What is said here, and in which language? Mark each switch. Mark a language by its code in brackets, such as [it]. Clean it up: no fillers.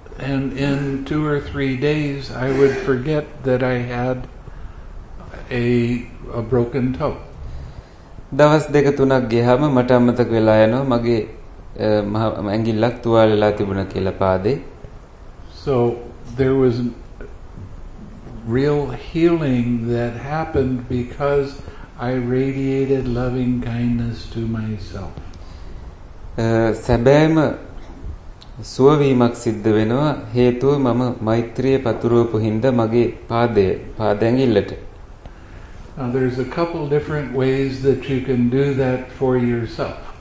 [en] and in 2 or 3 days I would forget that I had a broken toe [si] දවස් දෙක තුනක් ගියාම මට අමතක වෙලා යනවා මගේ ඇඟිල්ලක් තුවාල වෙලා තිබුණා කියලා පාදේ [en] So there was real healing that happened because I radiated loving kindness to myself. [si] සැබෑම සුවවීමක් සිද්ධ වෙනවා හේතුව මම මෛත්‍රිය පතුරවපු හින්දා මගේ පාදයේ පාදැඟිල්ලට. [en] There's a couple different ways that you can do that for yourself.